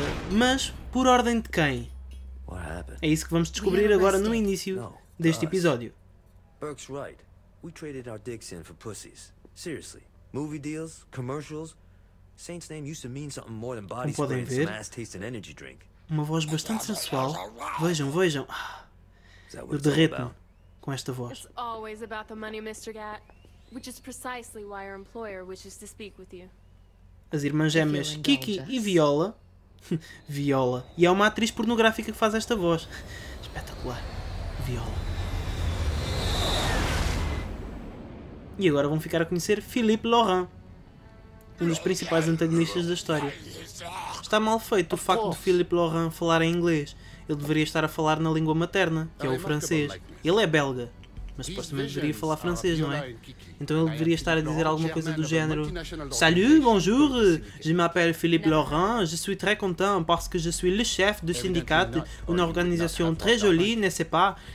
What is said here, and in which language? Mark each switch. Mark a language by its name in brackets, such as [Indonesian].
[Portuguese] Mas por ordem de quem? É isso que vamos descobrir agora no início deste episódio. [English] Burke's right. We traded our dicks in for pussies. Seriously. Movie deals, commercials. Saints' name used to mean something more than body spray and some ass-tasting energy drink. [Portuguese] Uma voz bastante sensual. Vejam, vejam. Eu derreto-me com esta voz. [English] It's always about the money, Mr. Gat, which is precisely why our employer wishes to speak with you. [Portuguese] As irmãs gêmeas Kiki e Viola. Viola. E é uma atriz pornográfica que faz esta voz. Espetacular. Viola. E agora vão ficar a conhecer Philippe Laurent, um dos principais antagonistas da história. Está mal feito o facto de Philippe Laurent falar em inglês. Ele deveria estar a falar na língua materna, que é o francês. Ele é belga, mas supostamente deveria falar francês, não é? Então ele deveria estar a dizer alguma coisa do género: [French] Salut, bonjour, je m'appelle Philippe Laurent, je suis très content parce que je suis le chef du syndicat, une organisation très jolie, n'est-ce pas?